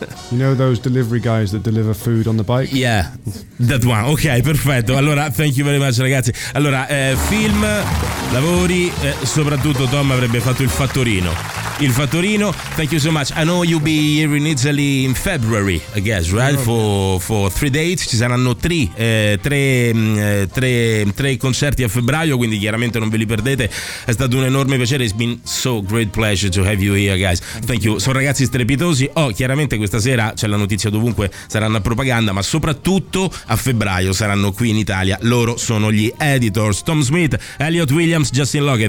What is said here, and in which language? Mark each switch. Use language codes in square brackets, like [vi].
[en] You know those delivery guys that deliver food on the bike? Yeah, that one. Okay, [it] perfetto. Allora, [en] thank you very much, [it] ragazzi. Allora, film, lavori, soprattutto Tom avrebbe fatto il fattorino. il fattorino. [en] Thank you so much. I know you'll be here in Italy in February, I guess, right? For three dates. [it] Ci saranno tre concerti a febbraio, quindi chiaramente non ve li perdete. È stato un enorme piacere. [en] It's been so great pleasure to have you here, guys. Thank you. [it] Sono ragazzi strepitosi. Oh, chiaramente questa sera c'è la notizia dovunque, saranno a propaganda, ma soprattutto a febbraio saranno qui in Italia. Loro sono gli Editors, Tom Smith, Elliot Williams, Justin Logan.